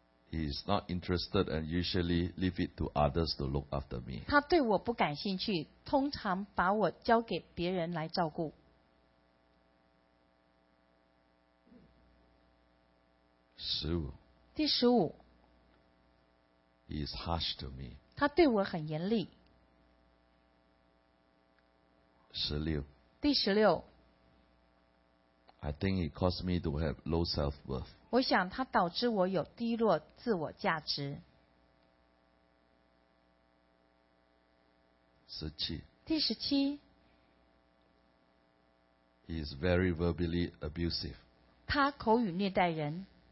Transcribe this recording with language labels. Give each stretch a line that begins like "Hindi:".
English: He is not interested and usually leave it to others to look after me.
Chinese: 他对我不感兴趣，通常把我交给别人来照顾。十五。第十五。
English: He is harsh to me.
Chinese: 他对我很严厉。十六。第十六。
English: I think it caused me to have low self-worth.
Chinese: 我想它导致我有低落自我价值。十七。第十七。
English: He is very verbally abusive.
Chinese: 他口语虐待人。